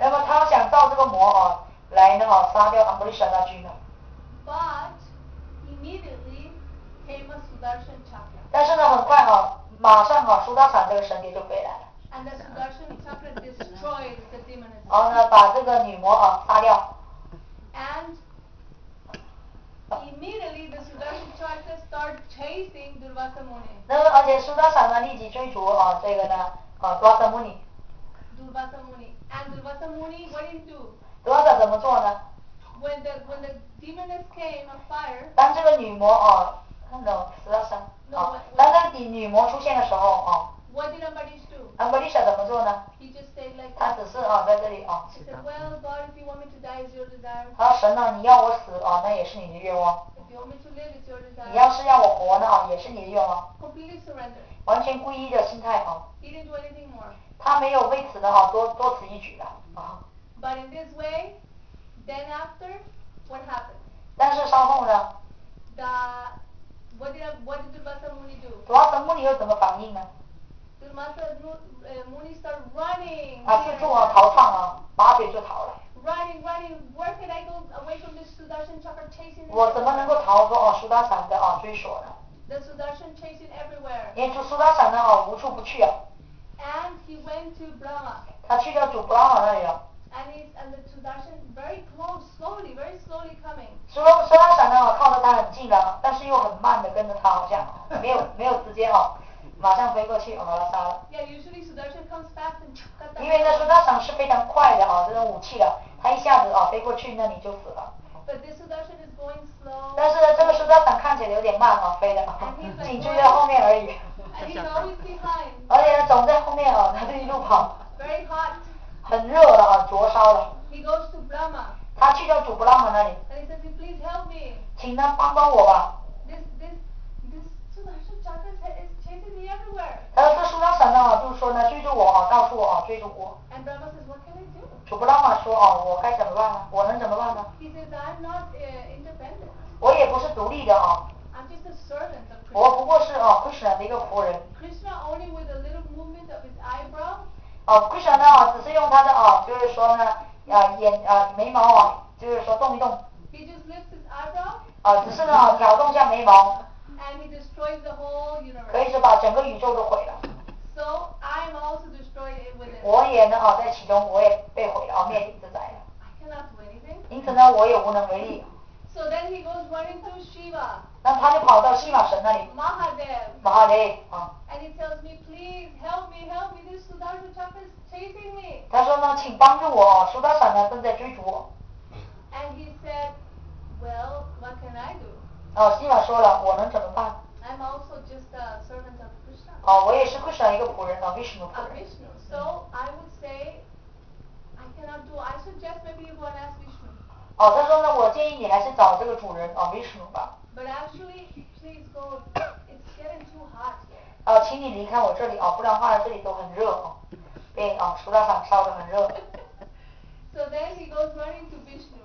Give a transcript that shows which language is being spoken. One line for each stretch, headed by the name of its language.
Chinese: 那么他想造这个魔来那个杀掉 Ambarish 那君呢。
English: But immediately came a Sudarshan Chakra.
Chinese: 但是呢，很快马上苏达山这个神给就飞来了。
English: And the Sudarshan Chakra destroyed the demoness.
Chinese: 然后呢，把这个女魔杀掉。
English: And immediately, the Sudarshan Chakra start chasing Durvasamuni.
Chinese: 那么，而且苏达山呢，立即追逐这个呢，Durvasamuni.
English: Durvasamuni. And Durvasamuni, what did he do?
Chinese: 苏达山怎么做呢
English: ？When the demoness came of fire.
Chinese: 当这个女魔苏达山当这个女魔出现的时候
English: What did Ambarish do?
Chinese: Ambarish 怎么做呢
English: ？He just stayed like.
Chinese: 他只是在这里
English: He said, "Well, God, if you want me to die, it's your desire."
Chinese: 他神呢，你要我死那也是你的愿望。
English: If you want me to live, it's your desire.
Chinese: 你要是让我活呢也是你的愿望。
English: Completely surrender.
Chinese: 完全皈依的心态
English: He didn't do anything more.
Chinese: 他没有为此的多此一举的
English: But in this way, then after, what happened?
Chinese: 但是稍后呢
English: What did Durvasamuni do?
Chinese: Durvasamuni 又怎么反应呢？
English: Durvasamuni start running.
Chinese: 他四处逃窜拔腿就逃了。
English: Running, where can I go away from this Sudarshan Chakra chasing?
Chinese: 我怎么能够逃脱苏达山的追索呢
English: ？The Sudarshan chasing everywhere.
Chinese: 沿途苏达山呢无处不去。
English: And he went to Brahma.
Chinese: 他去到主布拉玛那里了。
English: And the Sudarshan very close, slowly, very slowly coming.
Chinese: 苏达山呢靠得他很近的，但是又很慢的跟着他，好像没有直接马上飞过去，把他杀了。
English: Yeah, usually Sudarshan comes fast and cut them.
Chinese: 因为呢，苏达山是非常快的这种武器的，他一下子飞过去那里就死了。
English: But this Sudarshan is going slow.
Chinese: 但是呢，这个苏达山看起来有点慢飞的，紧追在后面而已。
English: And And he's always behind.
Chinese: 而且他总在后面啊，他就一路跑。
English: Very hot.
Chinese: 很热了啊，灼烧了。
English: He goes to Brahma.
Chinese: 他去到主布拉玛那里。
English: And he says, please help me.
Chinese: 请他帮帮我吧。
English: This Sudarshan Chakra is chasing me everywhere.
Chinese: 他说这苏拉神呢，就是说呢，追着我啊，到处啊追着我。
English: And Brahma says, what can I do?
Chinese: 主布拉玛说啊，我该怎么办呢？我能怎么办呢？
English: He says, I'm not independent.
Chinese: 我也不是独立的啊。
English: I'm just a servant of Krishna.
Chinese: 我不过是啊 ，Krishna 的一个仆人。
English: Krishna only with a little movement of his eyebrow.
Chinese: 哦 ，Krishna 呢，只是用他的啊，就是说呢，啊眼啊眉毛啊，就是说动一动。
English: He just lifts his eyebrow.
Chinese: 啊，只是呢，挑动一下眉毛。
English: And he destroys the whole universe.
Chinese: 可以说把整个宇宙都毁了。
English: So I'm also destroyed with it.
Chinese: 我也呢啊，在其中我也被毁了，灭顶之灾了。
English: I cannot do anything.
Chinese: 因此呢，我也无能为力。
English: So then he goes running to Shiva.
Chinese: 那他就跑到西马神那里。
English: Mahadev.
Chinese: Mahadev. 啊。
English: And he tells me, please help me, help me. This Sudarshan Chakra is chasing me.
Chinese: 他说呢，请帮助我，苏达闪呢正在追逐我。
English: And he said, well, what can I do?
Chinese: 哦，西马说了，我能怎么办
English: ？I'm also just a servant of Krishna.
Chinese: 哦，我也是 Krishna 一个仆人，Vishnu 仆人。
English: Vishnu. So I would say, I cannot do. I suggest maybe you go and ask Vishnu.
Chinese: 哦，他说呢，我建议你还是找这个主人Vishnu 吧。
English: But actually, please go. It's getting too hot.
Chinese: 哦，请你离开我这里不然的话这里都很热被苏达闪烧得很热。
English: So then he goes running to Vishnu.